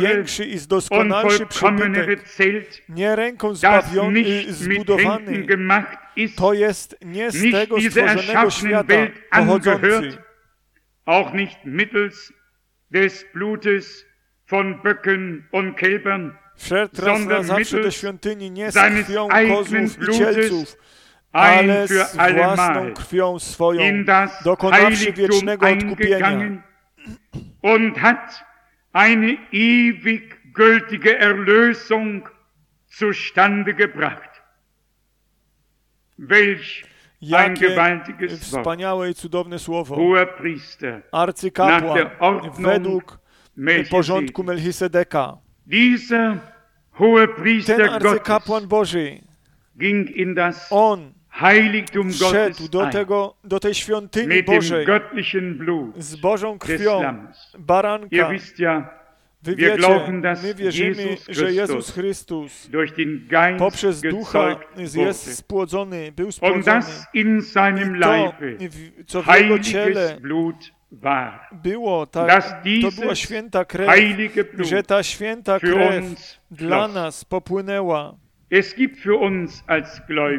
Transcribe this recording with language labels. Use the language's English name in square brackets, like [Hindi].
[Polish] większy i doskonalszy przybytek, nie ręką zbawiony, zbudowany, to jest nie z tego stworzonego świata pochodzący, [German] auch nicht mittels des Blutes von Böcken und Kälbern, [Polish] wszedł raz na zawsze do świątyni nie z krwią kozłów i cielców, ale z własną krwią swoją, dokonawszy wiecznego odkupienia. [German] Und hat eine ewig gültige Erlösung zustande gebracht. Welch ein gewaltiges Wort. [Polish] Wspaniałe i cudowne słowo. [German] Hoher Priester, [Polish] arcykapłan według porządku Melchisedeka. [German] Dieser hohe Priester Gottes, [Polish] ten arcykapłan Boży, [German] ging in das Heiligtum Gottes [Polish] do tej świątyni Bożej z Bożą krwią baranka. Wy wiecie, my wierzymy, że Jezus Chrystus poprzez Ducha jest spłodzony, był spłodzony. I to, co w Jego ciele było, to była święta krew, że ta święta krew dla nas popłynęła. [German] Es gibt für uns als Gläubige